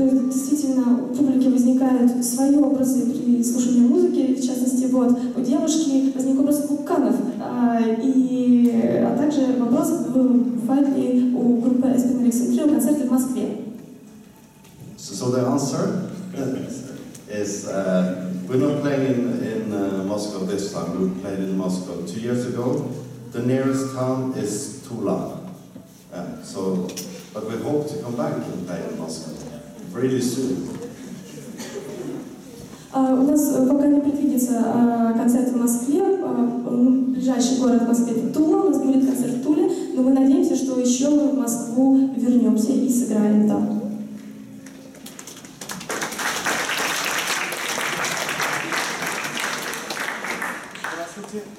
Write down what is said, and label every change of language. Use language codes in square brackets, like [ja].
[ru] Действительно, у публики возникают свои образы при слушании музыки, в частности, вот, у девушки возник образ вулканов, а также вопрос, бывает ли у группы Aspen Alexandria концерты в Москве. [en] So the answer is, we're not playing in Moscow this time, we played in Moscow 2 years ago. The nearest town is Tula. So, but we hope to come back and play in Moscow. Really soon. [ru] У нас пока не предвидится концерт в Москве. Ближайший город в Москве — это Тула. У нас будет концерт в Туле, но мы надеемся, что еще мы в Москву вернемся и сыграем там. Здравствуйте.